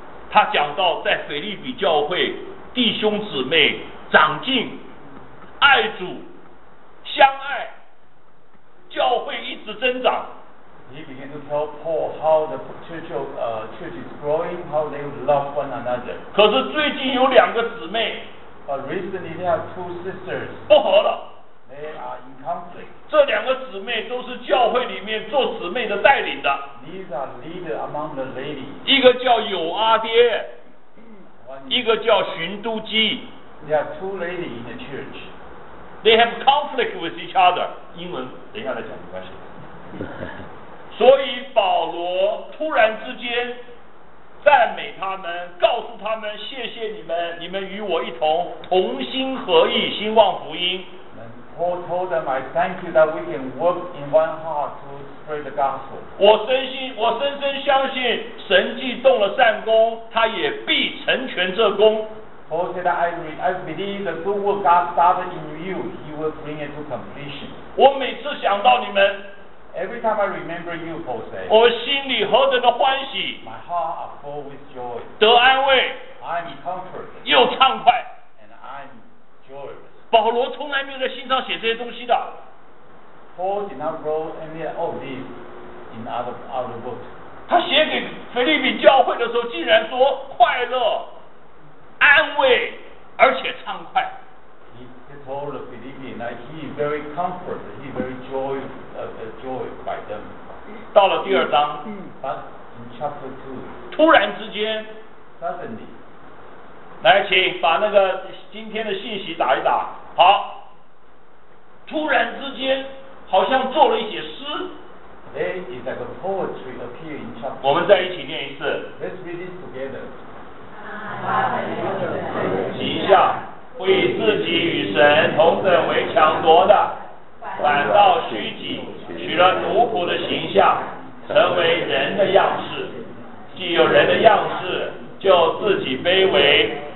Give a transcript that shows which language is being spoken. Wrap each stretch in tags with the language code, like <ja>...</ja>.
<zh>他讲到在腓立比教会弟兄姊妹长进爱主相爱教会一直增长。</zh> <en>He began to tell Paul how the church, church is growing, how they love one another.</en> <zh>可是最近有两个姊妹</zh> <en>But recently they have two sisters.</en> <zh>不合了。</zh> <en>They are in conflict.</en> <zh>这两个姊妹都是教会里面做姊妹的带领的。</zh> <en>These are leaders among the ladies.</en> <zh>一个叫有阿爹，一个叫寻都基。</zh> <en>They are two ladies in the church. They have conflict with each other.</en> <zh>英文，等一下再讲，没关系。所以保罗突然之间赞美他们，告诉他们谢谢你们，你们与我一同同心合意，兴旺福音。</zh> <en>Paul told them, I thank you that we can work in one heart to spread the gospel.</en> <zh>我深深相信神既动了善工，他也必成全这工。</zh> <en>Paul said, I believe the good work God started in you, He will bring it to completion.</en> <zh>我每次想到你们。</zh> <en>Every time I remember you, Paul said,</en> <zh>我心里何等的欢喜。</zh> <en>My heart are full with joy.</en> <zh>得安慰。</zh> <en>I'm comforted.</en> <zh>又畅快。</zh> <en>And I'm joyous.</en> <zh>保罗从来没有在信上写这些东西的。</zh> <en>Paul did not write any of these in other books.</en> <zh>他写给腓立比教会的时候，竟然说快乐、安慰，而且畅快。</zh> <en>He told the Philippians that he is very comforted, he is very joyed by them.</en> <zh>到了第二章，</zh> <en>But in chapter two,</en> <zh>突然之间</zh> <en>suddenly.</en> <zh>来，请把那个今天的信息打一打。好，突然之间好像做了一些诗。</zh> <en>There is like a poetry appear in chapter.</en> <zh>我们再一起念一次。</zh> <en>Let's read this together.</en> <zh>记下，不以自己与神同等为强夺的，反倒虚己，取了奴仆的形象，成为人的样式。既有人的样式，就自己卑微。</zh>